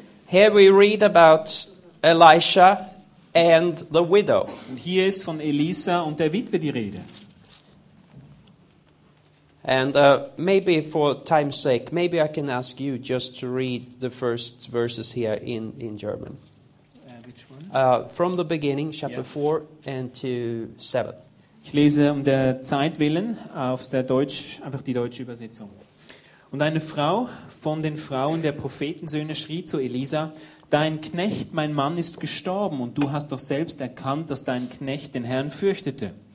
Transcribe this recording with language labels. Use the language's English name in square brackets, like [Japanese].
[English] Here we read about Elisha and the widow. [German] Und hier ist von Elisa und der Witwe die Rede. [English] And maybe for time's sake, maybe I can ask you just to read the first verses here in German. Which one? From the beginning, chapter 4 and to 7. [German] Ich lese um der Zeit willen auf der Deutsch, einfach die deutsche Übersetzung. Und eine Frau von den Frauen der Prophetensöhne schrie zu Elisa, dein Knecht, mein Mann, ist gestorben und du hast doch selbst erkannt, dass dein Knecht den Herrn fürchtete.